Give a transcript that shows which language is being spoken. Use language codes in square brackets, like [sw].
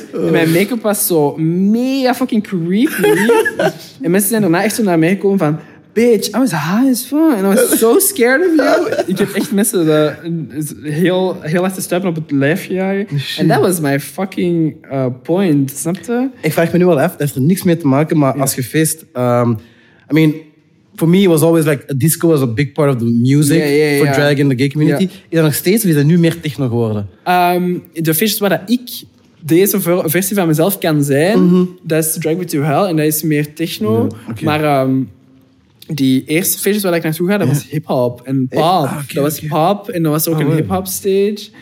[nl] Mijn make-up was zo mega fucking creepy. En mensen zijn daarna echt zo naar mij gekomen van... [en] Bitch, I was high as fuck. And I was so scared of you. [nl] Ik heb echt mensen heel hard te stuipen op het lijf gejagen. [en] And that was my fucking point. [nl] Snap je? Ik vraag me nu wel af. Dat heeft er niks mee te maken. Maar als je feest... [en] I mean, for me, it was always like... A disco was a big part of the music for drag in the gay community. [nl] Is dat nog steeds of is dat nu meer techno geworden? De feest waar ik deze versie van mezelf kan zijn... Dat is Drag With You Hell. En dat is meer techno. [en] Yeah. Okay. [nl] Maar... die eerste feestjes waar ik naartoe ga, dat was hip-hop en pop. [en] Hey, okay, [nl] dat was pop en dat was ook een hip-hop stage.